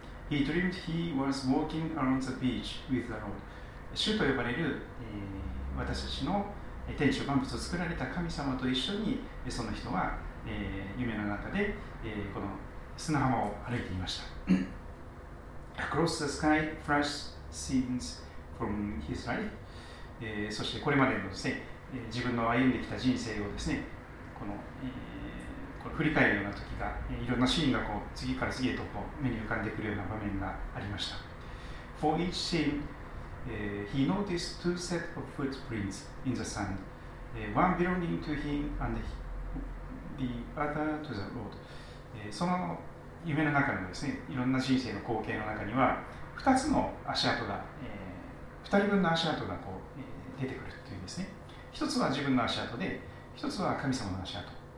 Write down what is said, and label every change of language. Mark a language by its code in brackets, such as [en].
[en] He dreamed he was walking around the beach with the Lord。 [ja] 主と呼ばれる、私たちの天地万物を作られた神様と一緒に、その人は、夢の中で、この砂浜を歩いていました。 [en] Across the sky, fresh scenes from his life。 [ja] そしてこれまでのですね、自分の歩んできた人生をですね、この振り返るような時が、いろんなシーンがこう次から次へとこう目に浮かんでくるような場面がありました。 [en] For each scene, he noticed two sets of footprints in the sand, one belonging to him and the other to the Lord. [ja] その夢の中のですね、いろんな人生の光景の中には、2つの足跡が、2人分の足跡がこう出てくるというんですね。 1つは自分の足跡で、1つは神様の足跡。